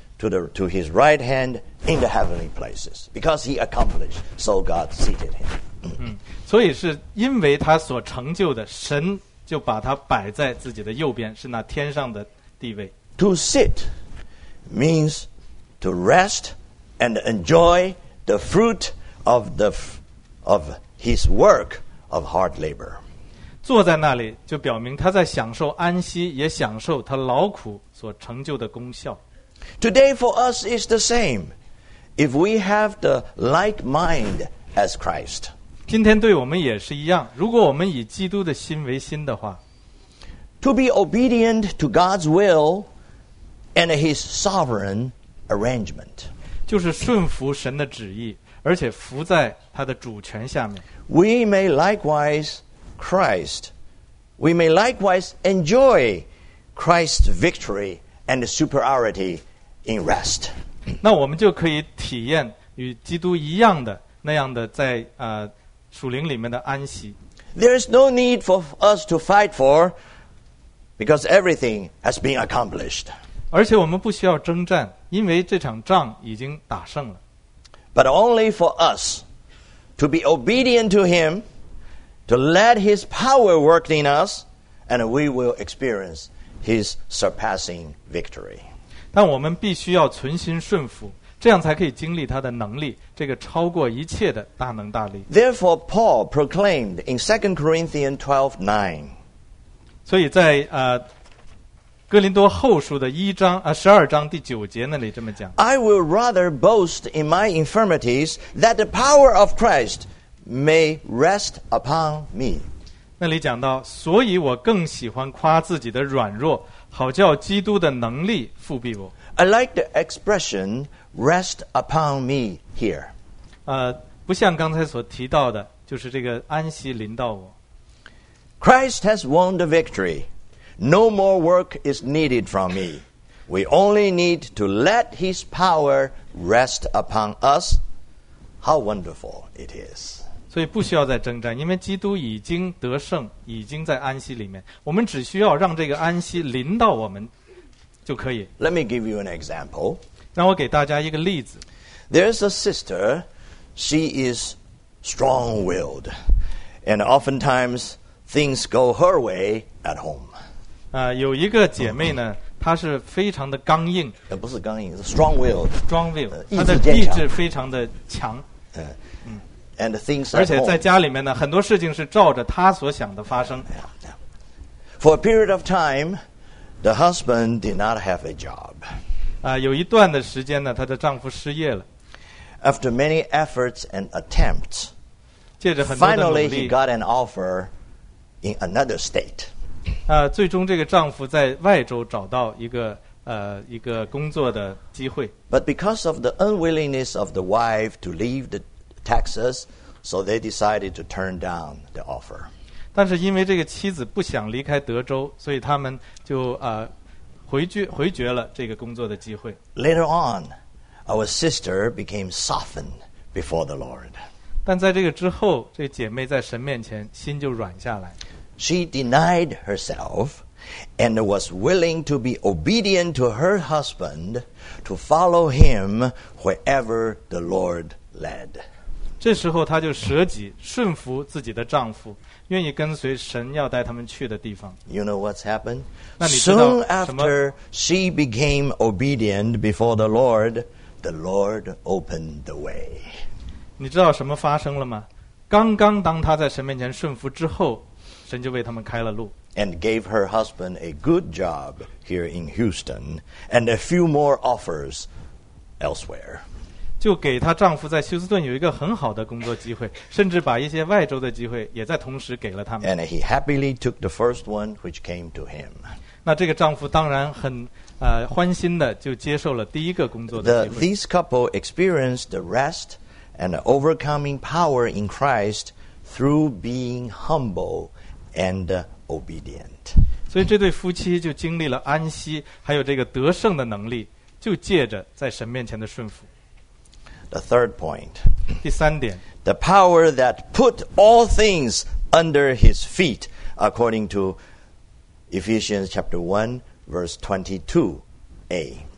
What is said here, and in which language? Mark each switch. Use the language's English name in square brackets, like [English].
[English] To his right hand in the heavenly places. Because he accomplished, so God seated him. [Chinese] 所以是因为他所成就的，神就把他摆在自己的右边，是那天上的地位。 [English] To sit means to rest and enjoy the fruit of the of his work of hard labor. [Chinese] 坐在那里就表明他在享受安息，也享受他劳苦所成就的功效。 [English] Today for us is the same. If we have the like mind as Christ, [Chinese] 今天对我们也是一样。如果我们以基督的心为心的话 [English] ，to be obedient to God's will and His sovereign arrangement, [Chinese] 就是顺服神的旨意，而且服在他的主权下面。 [English] We may likewise Christ, we may likewise enjoy Christ's victory and superiority in rest. [Chinese] 那我们就可以体验与基督一样的那样的在属灵里面的安息。 [English] There is no need for us to fight for, because everything has been accomplished. [Chinese] 而且我们不需要征战，因为这场仗已经打胜了。 [English] But only for us to be obedient to Him. To let His power work in us, and we will experience His surpassing victory. [Chinese] 但我们必须要存心顺服，这样才可以经历他的能力，这个超过一切的大能大力。 [English] Therefore, Paul proclaimed in 2 Corinthians 12:9. [Chinese] 所以在哥林多后书的一章十二章第九节那里这么讲。 [English] I will rather boast in my infirmities that the power of Christ. May rest upon me. [Chinese] 那里讲到，所以我更喜欢夸自己的软弱，好叫基督的能力覆庇我。 [English] I like the expression "rest upon me" here. [Chinese] 不像刚才所提到的，就是这个安息临到我。 [English] Christ has won the victory. No more work is needed from me. We only need to let His power rest upon us. How wonderful it is! [Chinese] 所以不需要再征战，因为基督已经得胜，已经在安息里面。我们只需要让这个安息临到我们就可以。 [English] Let me give you an example. [Chinese] 让我给大家一个例子。 [English] There's a sister, she is strong-willed, and oftentimes things go her way at home. [Chinese] 有一个姐妹呢，她是非常的刚硬。不是刚硬，是 strong-willed. [English] Strong-willed. [Chinese] 她的意志非常的强。 [English] And things at home. [Chinese] 而且在家里面呢，很多事情是照着他所想的发生。 [English] For a period of time, the husband did not have a job. [Chinese] 有一段的时间呢，她的丈夫失业了。 [English] After many efforts and attempts, [Chinese] 借着很多的努 [English] 力，finally he got an offer in another state. [Chinese] 最终这个丈夫在外州找到一个工作的机会。 [English] But because of the unwillingness of the wife to leave the Texas, so they decided to turn down the offer. [Chinese] 但是因为这个妻子不想离开德州，所以他们就回绝了这个工作的机会。 [English] Later on, our sister became softened before the Lord. [Chinese] 但在这个之后，这姐妹在神面前心就软下来。 [English] She denied herself and was willing to be obedient to her husband to follow him wherever the Lord led. [Chinese] 这时候她就舍己顺服自己的丈夫，愿意跟随神要带他们去的地方。 [English] You know what's happened? Soon after she became obedient before the Lord opened the way. [Chinese] 你知道什么发生了吗？刚刚当她在神面前顺服之后，神就为他们开了路。 [English] And gave her husband a good job here in Houston and a few more offers elsewhere. [Chinese] 就给她丈夫在休斯顿有一个很好的工作机会，甚至把一些外州的机会也在同时给了他们。 [English] And he happily took the first one which came to him. [Chinese] 那这个丈夫当然很欢欣的就接受了第一个工作的机会。 [English] These couple experienced the rest and overcoming power in Christ through being humble and obedient. [Chinese] 所以这对夫妻就经历了安息，还有这个得胜的能力，就借着在神面前的顺服。 [English] The third point. [Chinese] 第三点。 [English] The power that put all things under his feet, according to Ephesians chapter 1, verse 22a.